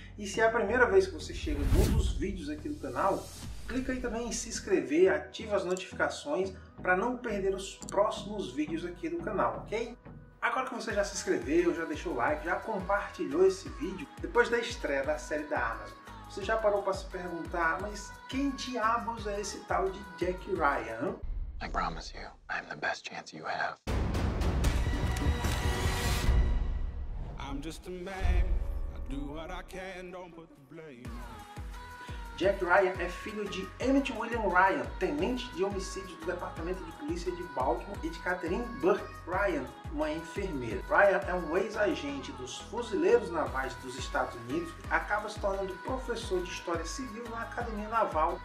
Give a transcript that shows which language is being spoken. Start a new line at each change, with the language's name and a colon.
Portuguese: E se é a primeira vez que você chega em um dos vídeos aqui do canal, clica aí também em se inscrever, ativa as notificações para não perder os próximos vídeos aqui do canal, ok? Agora que você já se inscreveu, já deixou o like, já compartilhou esse vídeo, depois da estreia da série da Amazon, você já parou para se perguntar, mas quem diabos é esse tal de Jack Ryan?
English: I promise you, I'm the best chance you have. I'm just a man, I do what I can, don't put the blame.
Portuguese: Jack Ryan é filho de Emmett William Ryan, tenente de homicídio do Departamento de Polícia de Baltimore, e de Catherine Burke Ryan, uma enfermeira. Ryan é um ex-agente dos Fuzileiros Navais dos Estados Unidos, acaba se tornando professor de História Civil na Academia Naval.